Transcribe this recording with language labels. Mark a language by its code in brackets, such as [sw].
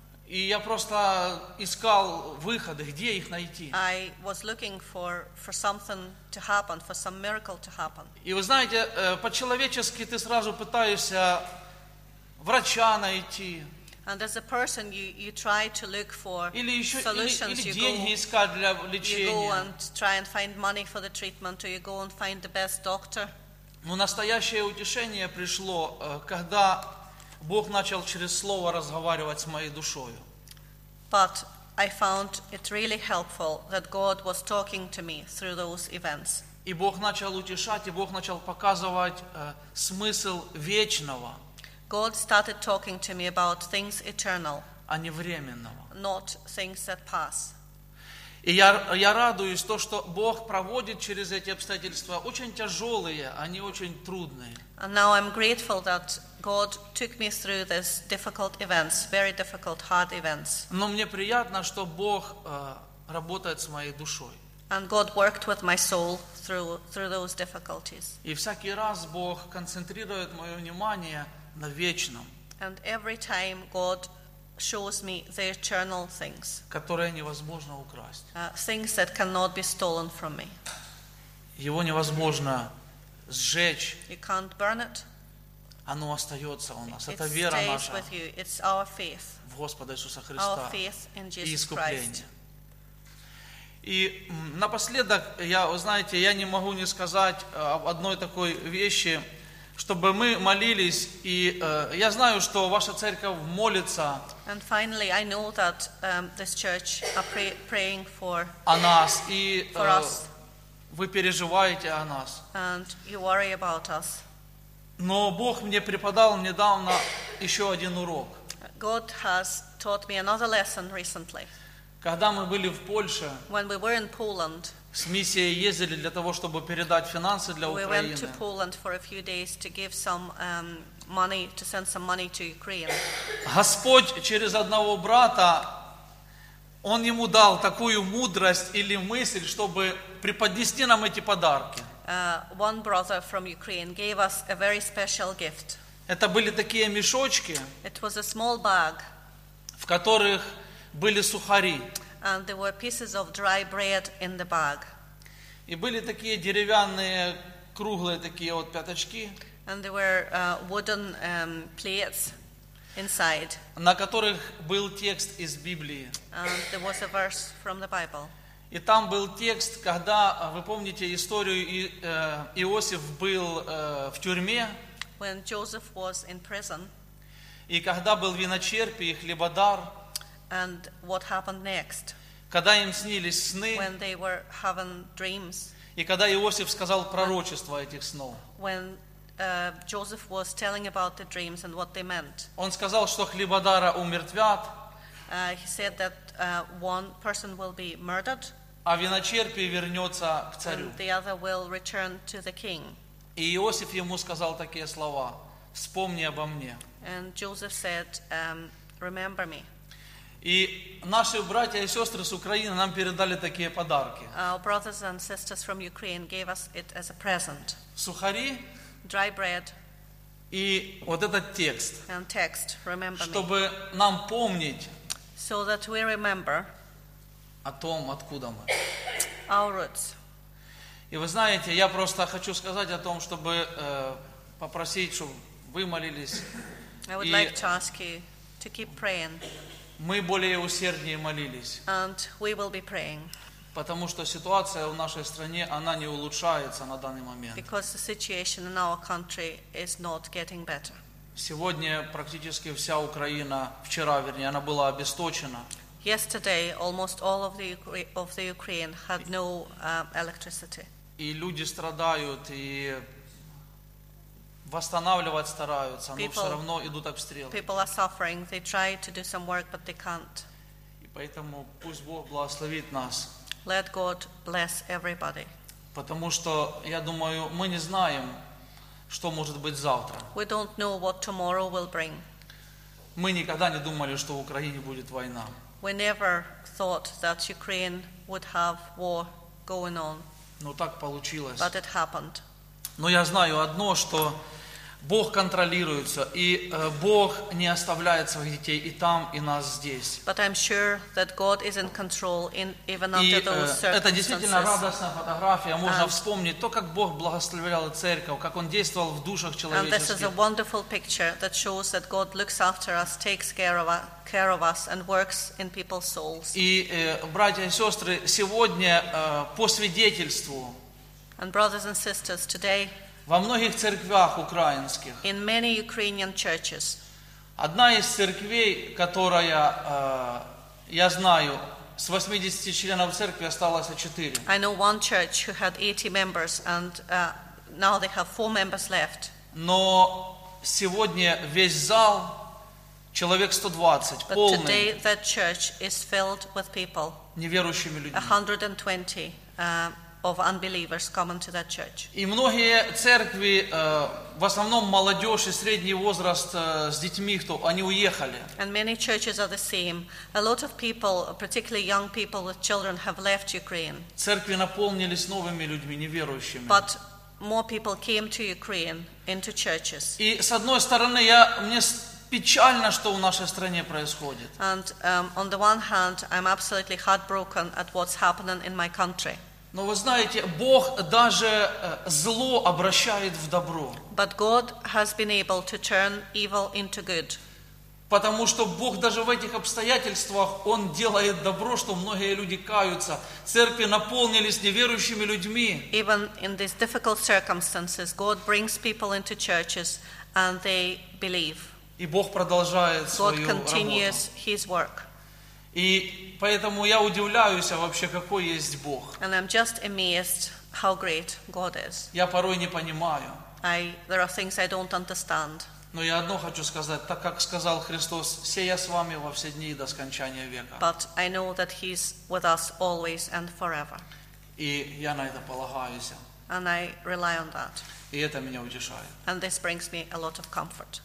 [ru] И я просто искал выходы, где их найти. [en] I was looking for something to happen, for some miracle to happen. [ru] И вы знаете, по-человечески ты сразу пытаешься врача найти. [en] And as a person, you try to look for solutions. [ru] Или деньги искать для лечения. [en] You go and try and find money for the treatment, or you go and find the best doctor. [ru] Но настоящее утешение пришло, когда Бог начал через Слово разговаривать с моей душою. [en] But I found it really helpful that God was talking to me through those events. [ru] И Бог начал утешать, и Бог начал показывать смысл вечного. [en] God started talking to me about things eternal, [ru] а не временного. [en] Not things that pass. [ru] И я радуюсь то, что Бог проводит через эти обстоятельства очень тяжелые, они очень трудные. [en] And now I'm grateful that God took me through these difficult events, very difficult, hard events. [ru] Но мне приятно, что Бог работает с моей душой. [en] And God worked with my soul through those difficulties. [ru] И всякий раз Бог концентрирует мое внимание. [en] And every time God shows me the eternal things, [ru] которые невозможно украсть, [en] things that cannot be stolen from me, [ru] его невозможно сжечь, [en] you can't burn it, [ru] оно остается у нас, [en] it [ru] это вера [en] stays [ru] наша, [en] with you. It's our faith, [ru] в Господа Иисуса Христа, [en] our faith in Jesus [ru] и искупление. [en] Christ. [ru] И напоследок, я, знаете, я не могу не сказать об одной такой вещи. Чтобы мы молились, и я знаю, что ваша церковь молится. [en] And finally, I know that this church are praying for [ru] о нас, и [en] for us. [ru] Вы переживаете о нас. [en] And you worry about us. [ru] Но Бог мне преподал недавно еще один урок. [en] God has taught me another lesson recently. [ru] Когда мы были в Польше, [en] when we were in Poland, [ru] с миссией ездили для того, чтобы передать финансы для Украины. [en] We went to Poland for a few days to give some money, to send some money to Ukraine. [ru] Господь через одного брата, он ему дал такую мудрость или мысль, чтобы преподнести нам эти подарки. [en] One brother from Ukraine gave us a very special gift. [ru] Это были такие мешочки, [en] it was a small bag, [ru] в которых были сухари. [en] And there were pieces of dry bread in the bag. [ru] И были такие деревянные круглые такие вот пяточки. [en] And there were wooden plates inside. [ru] На которых был текст из Библии. [en] And there was a verse from the Bible. [ru] И там был текст, когда, вы помните историю, Иосиф был в тюрьме. [en] When Joseph was in prison. [ru] И когда был виночерпи и хлебодар. [en] And what happened next? [ru] Когда им снились сны. [en] When they were having dreams. [ru] И когда Иосиф сказал пророчество этих снов. [en] When Joseph was telling about the dreams and what they meant. [ru] Он сказал, что хлебодара умертвят. [en] He said that one person will be murdered. [ru] А виночерпи вернется к царю. [en] And the other will return to the king. [ru] И Иосиф ему сказал такие слова: «Вспомни обо мне». [en] And Joseph said, remember me. [ru] И наши братья и сестры с Украины нам передали такие подарки. [en] Our brothers and sisters from Ukraine gave us it as a present. [ru] Сухари. [en] Dry bread. [ru] И вот этот текст. [en] And text, remember [ru] чтобы Чтобы нам помнить. [en] So that we remember. [ru] О том, откуда мы. [en] Our roots. [ru] И вы знаете, я просто хочу сказать о том, чтобы попросить, чтобы вы молились. [en] I would like to ask you to keep praying. [ru] Мы более усерднее молились. [en] And we will be praying. [ru] Потому что ситуация в нашей стране, она не улучшается на данный момент. [en] Because the situation in our country is not getting better. [ru] Сегодня практически вся Украина, вчера вернее, она была обесточена. [en] Yesterday, almost all of the Ukraine had no electricity. [ru] И люди страдают, и восстанавливать стараются, но все равно идут обстрелы. [en] People are suffering. They try to do some work, but they can't. [ru] И поэтому пусть Бог благословит нас. [en] Let God bless everybody. [ru] Потому что, я думаю, мы не знаем, что может быть завтра. [en] We don't know what tomorrow will bring. [ru] Мы никогда не думали, что в Украине будет война. [en] We never thought that Ukraine would have war going on. [ru] Но так получилось. [en] But it happened. [ru] Но я знаю одно, что Бог контролируется, и Бог не оставляет своих детей и там, и нас здесь. [en] But I'm sure that God is in control in, even under [ru] и, [en] those circumstances. [ru] Это действительно радостная фотография. Можно вспомнить то, как Бог благословлял церковь, как Он действовал в душах человеческих. [en] And this is a wonderful picture that shows that God looks after us, takes care of us and works in people's souls. [ru] И, братья и сестры, сегодня по свидетельству. [en] And brothers and sisters, today, [ru] во многих церквях украинских, [en] in many Ukrainian churches, [ru] одна из церквей, которая, я знаю, с 80 членов церкви осталось 4. [en] I know one church who had 80 members, and now they have 4 members left. [ru] Но сегодня весь зал, человек 120, [en] but [ru] полный, [en] today that church is filled with people, [ru] неверующими людьми. [en] 120 of unbelievers coming to that church. [ru] И многие церкви, в основном молодежь и средний возраст с детьми, кто, они уехали. [en] And many churches are the same. A lot of people, particularly young people with children, have left Ukraine. [ru] Церкви наполнились новыми людьми, неверующими. [en] But more people came to Ukraine into churches. [ru] И с одной стороны, мне печально, что в нашей стране происходит. [en] And on the one hand, I'm absolutely heartbroken at what's happening in my country. [ru] Но вы знаете, Бог даже зло обращает в добро. [en] But God has been able to turn evil into good. [ru] Потому что Бог даже в этих обстоятельствах, Он делает добро, что многие люди каются. Церкви наполнились неверующими людьми. [en] Even in these difficult circumstances, God brings people into churches and they believe. [ru] И Бог продолжает [en] God [ru] свою работу. [en] God continues His work. [ru] И поэтому я удивляюсь, а вообще какой есть Бог. [en] And I'm just amazed how great God is. [ru] Я порой не понимаю. [en] There are things I don't understand. [ru] Но я одно хочу сказать, так как сказал Христос, все я с вами во все дни до скончания века. [en] But I know that He's with us always and forever. [ru] И я на это полагаюсь. [en] And I rely on that. [ru] И это меня утешает. [en] And this brings me a lot of comfort.